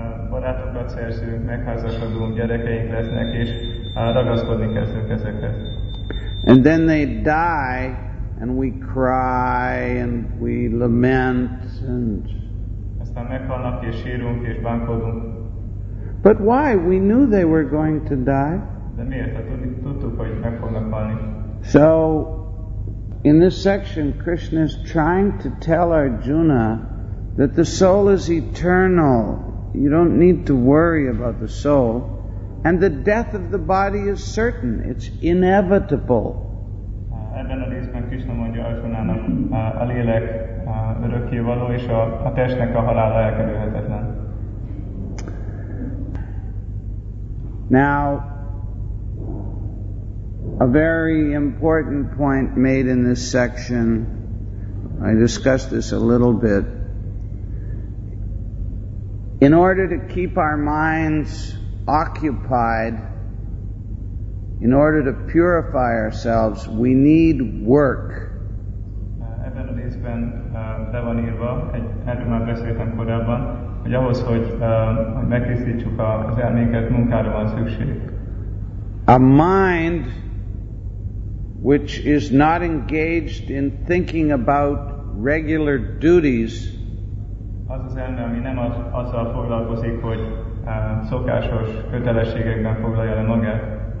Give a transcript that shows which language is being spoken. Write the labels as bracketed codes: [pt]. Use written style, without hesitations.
[hu] Barátokat szerzünk, megházasodunk, gyerekeink lesznek, és ragaszkodni kezdünk ezekhez. [en] And then they die, and we cry, and we lament, and... [hu] Aztán meghalnak, és sírunk, és bánkodunk. [en] But why? We knew they were going to die. [hu] De miért? Hát tudtuk, hogy meg fognak halni. [en] So, in this section, Krishna is trying to tell Arjuna that the soul is eternal. You don't need to worry about the soul. And the death of the body is certain. It's inevitable. [hu] Ebben a részben Krishna mondja Arjunának, a lélek örökkévaló, és a testnek a halála elkerülhetetlen. [en] Now, a very important point made in this section, I discussed this a little bit, in order to keep our minds occupied, in order to purify ourselves, we need work. [hu] Ebben a részben le van írva, erről már beszéltem korábban, hogy ahhoz, hogy megtisztítsuk az elménket, munkára van szükség. [en] A mind which is not engaged in thinking about regular duties, [hu] az az ember, ami nem azzal foglalkozik, hogy szokásos kötelességekben foglalja le magát.